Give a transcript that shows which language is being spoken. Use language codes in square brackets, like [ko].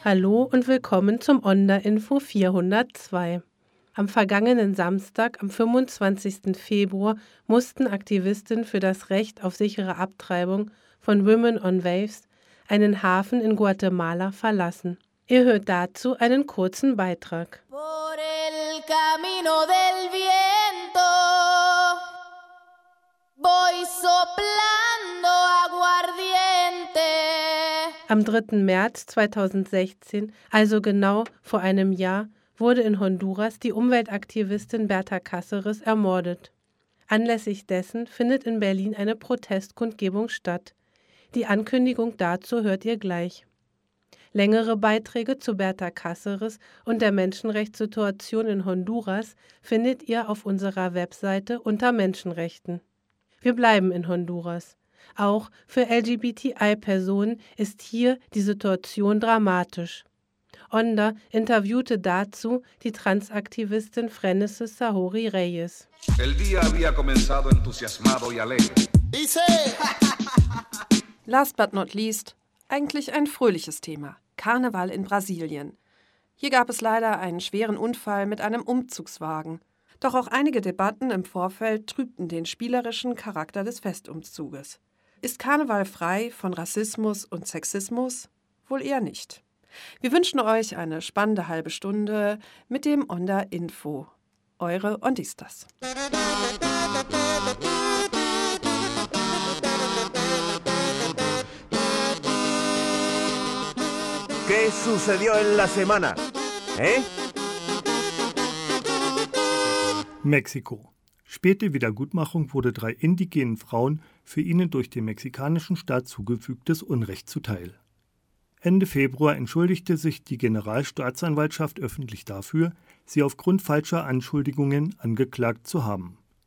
[de] Hallo und willkommen zum Onda-Info 402. Am vergangenen Samstag, am 25. Februar, mussten Aktivisten für das Recht auf sichere Abtreibung von Women on Waves einen Hafen in Guatemala verlassen. Ihr hört dazu einen kurzen Beitrag. [es] Por el camino del viento voy soplando aguardiente. [de] Am 3. März 2016, also genau vor einem Jahr, wurde in Honduras die Umweltaktivistin Berta Cáceres ermordet. Anlässlich dessen findet in Berlin eine Protestkundgebung statt. Die Ankündigung dazu hört ihr gleich. Längere Beiträge zu Berta Cáceres und der Menschenrechtssituation in Honduras findet ihr auf unserer Webseite unter Menschenrechten. Wir bleiben in Honduras. Auch für LGBTI-Personen ist hier die Situation dramatisch. Onda interviewte dazu die Transaktivistin Frenesse Sahori Reyes. [es] El día había comenzado entusiasmado y alegre. Dice. [en] Last but not least, [de] eigentlich ein fröhliches Thema, Karneval in Brasilien. Hier gab es leider einen schweren Unfall mit einem Umzugswagen. Doch auch einige Debatten im Vorfeld trübten den spielerischen Charakter des Festumzuges. Ist Karneval frei von Rassismus und Sexismus? Wohl eher nicht. Wir wünschen euch eine spannende halbe Stunde mit dem Onda Info. Eure Ondistas. [es] ¿Qué sucedió en la semana? ¿Eh? [de] Mexiko. Späte Wiedergutmachung wurde drei indigenen Frauen für ihnen durch den mexikanischen Staat zugefügtes Unrecht zuteil. Ende Februar entschuldigte sich die Generalstaatsanwaltschaft öffentlich dafür, sie aufgrund falscher Anschuldigungen angeklagt zu haben.